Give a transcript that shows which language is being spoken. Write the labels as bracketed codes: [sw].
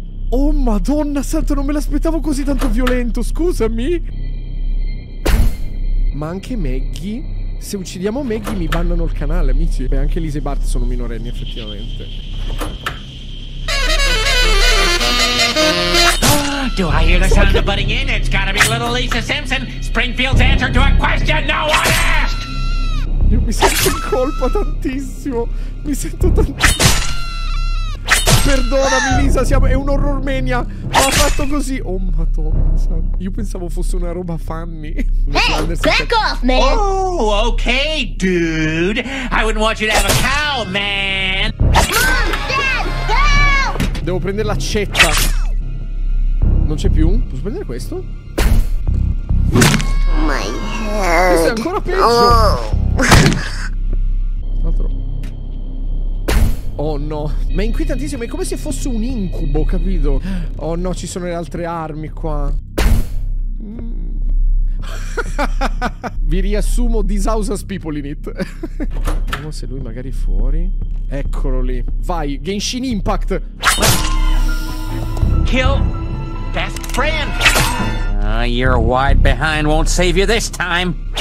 [it] Oh madonna santa, non me l'aspettavo così tanto violento, scusami. Ma anche Maggie? Se uccidiamo Maggie mi bannano il canale, amici. Beh, anche Lisa e Bart sono minorenni, effettivamente. [en] Do I hear the sound of butting in? It's gotta be little Lisa Simpson. Springfield's answer to a question no one asked. [it] Io mi sento in colpa tantissimo. Mi sento tantissimo. Perdonami, Lisa, è un horror mania. Ma ha fatto così. Oh, madonna, santa. Io pensavo fosse una roba funny. [en] Hey, back off, man. Oh, okay, dude. I wouldn't want you to have a cow, man. Mom, Dad, help! [it] Devo prendere l'accetta. Non c'è più? Posso prendere questo? [en] My head. [it] Questo è ancora peggio. Oh. Altro. Oh no, ma è inquietantissimo, è come se fosse un incubo, capito? Oh no, ci sono le altre armi qua. Vi riassumo, [en] this house has people in it. [it] Vediamo se lui magari è fuori. Eccolo lì, vai, Genshin Impact. [en] Kill best friend. You're wide behind, won't save you this time.